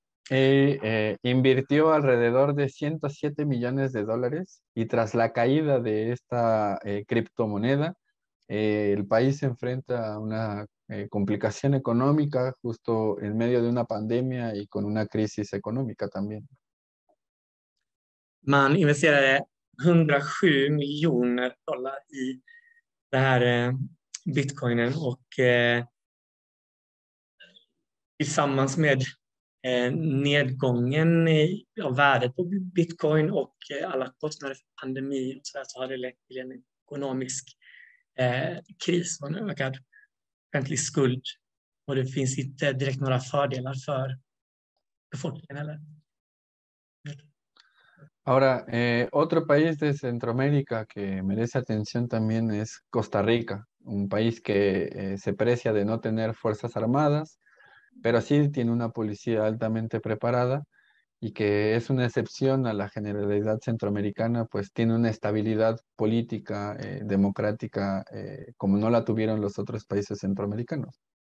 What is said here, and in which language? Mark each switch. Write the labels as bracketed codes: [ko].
[es] Invirtió alrededor de 107 millones de dólares y tras la caída de esta criptomoneda, el país se enfrenta a una complicación económica justo en medio de una pandemia y con una crisis económica también. [sv] Man investerade 107 miljoner dólares i det här bitcoinen och tillsammans med nedgången av värdet på bitcoin och alla kostnader för pandemi och så, så har det lett till en ekonomisk kris och en ökad offentlig skuld och det finns inte direkt några fördelar för befolkningen heller. [es] Ahora, otro país de Centroamérica que merece atención también es Costa Rica, un país que se precia de no tener fuerzas armadas, pero sí tiene una policía altamente preparada y que es una excepción a la generalidad centroamericana, pues tiene una estabilidad política, democrática, como no la tuvieron los otros países centroamericanos.